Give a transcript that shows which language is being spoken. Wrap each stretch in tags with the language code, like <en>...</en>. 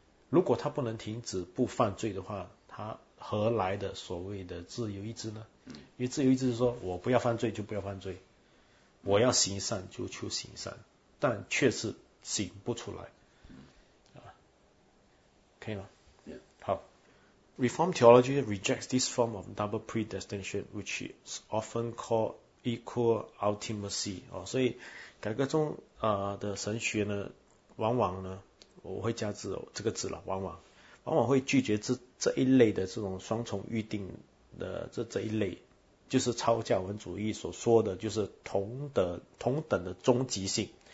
<zh>如果他不能停止不犯罪的话，他何来的所谓的自由意志呢？因为自由意志是说我不要犯罪就不要犯罪，我要行善就行善，但却是行不出来。可以吗？</zh> <en>好 ，Reform theology rejects this form of double predestination, which is often called equal ultimacy。</en> <zh>所以改革中的神学呢，往往呢，我会加字这个字了，往往会拒绝这一类的这种双重预定的这一类就是超教文主义所说的，就是同等的终极性。</zh>